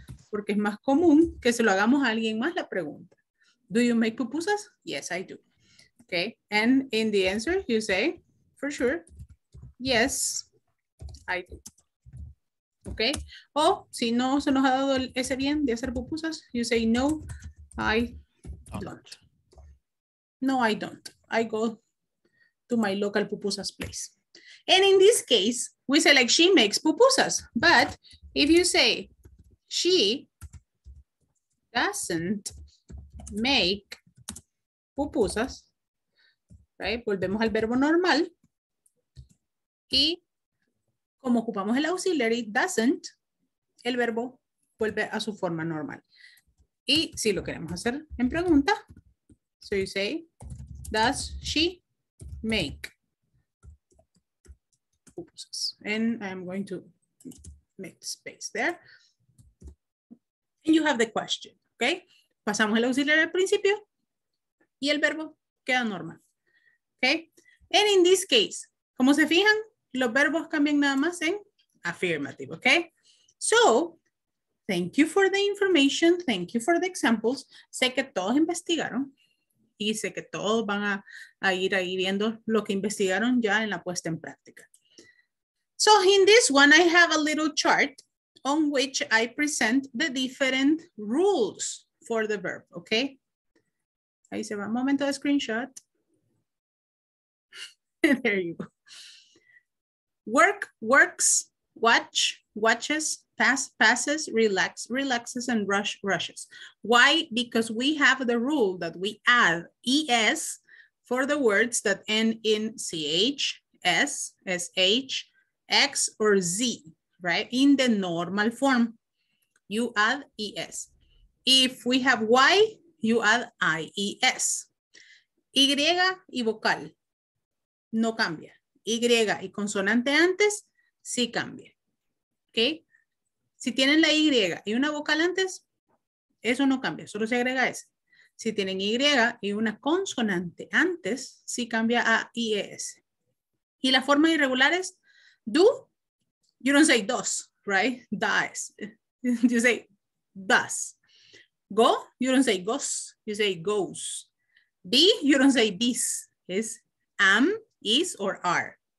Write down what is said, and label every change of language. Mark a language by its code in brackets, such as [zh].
[es] Porque es más común que se lo hagamos a alguien más la pregunta. [en] Do you make pupusas? Yes, I do. Okay, and in the answer you say, for sure, yes, I do. [es] Okay, o si no se nos ha dado ese bien de hacer pupusas, [en] you say, no, I don't. [es] No, I don't. [en] I go to my local pupusas place. And in this case, we say like, she makes pupusas. But if you say, she doesn't make pupusas, right? [es] Volvemos al verbo normal. Y como ocupamos el auxiliary, doesn't, el verbo vuelve a su forma normal. Y si lo queremos hacer en pregunta, [en] so you say, does she make pupusas? And I'm going to make space there. And you have the question, okay? [es] Pasamos el auxiliar al principio y el verbo queda normal, okay? [en] And in this case, [es] como se fijan, los verbos cambian nada más en affirmative, okay? [en] So, thank you for the information. Thank you for the examples. [es] Sé que todos investigaron. y sé que todos van a ir ahí viendo lo que investigaron ya en la puesta en práctica. [en] So in this one, I have a little chart on which I present the different rules for the verb, okay? [es] Ahí se va, un momento de screenshot. [en] There you go. Work, works, watch, watches, pass, passes, relax, relaxes, and rush, rushes. Why? Because we have the rule that we add ES for the words that end in CH, S, SH, X, or Z, right? In the normal form, you add ES. If we have Y, you add IES. [es] Y y vocal, no cambia. Y y consonante antes, sí cambia. Okay? Si tienen la Y y una vocal antes, eso no cambia, solo se agrega ese. Si tienen Y y una consonante antes, sí cambia a IES. Y la forma irregular es [en] do, you don't say does, right? Does. You say does. Go, you don't say goes, you say goes. Be, you don't say this, it's am, is, or are.